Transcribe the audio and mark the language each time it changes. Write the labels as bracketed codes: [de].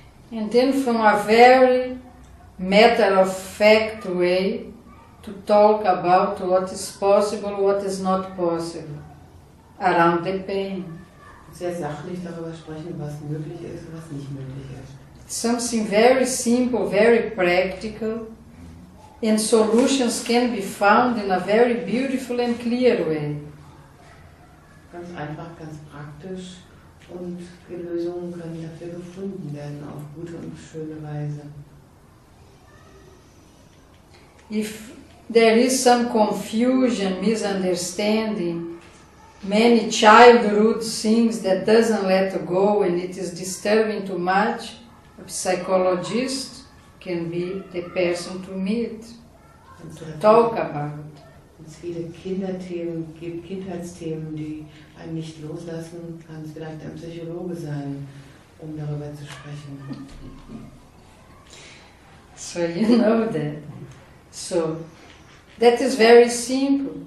[en] And then from a very matter-of-fact way to talk about what is possible, what is not possible around the pain. [de] Sehr sachlich darüber sprechen, was möglich ist und was nicht möglich ist. [en] Something very simple, very practical, and solutions can be found in a very beautiful and clear way. [de] Ganz einfach, ganz praktisch und die Lösungen können dafür gefunden werden auf gute und schöne Weise. [en] If there is some confusion, misunderstanding, many childhood things that doesn't let go and it is disturbing too much, a psychologist can be the person to meet and to talk about. [de] Wenn es viele Kinderthemen gibt, Kindheitsthemen, die einen nicht loslassen, kann es vielleicht ein Psychologe sein, um darüber zu sprechen. [en] So you know that. So that is very simple.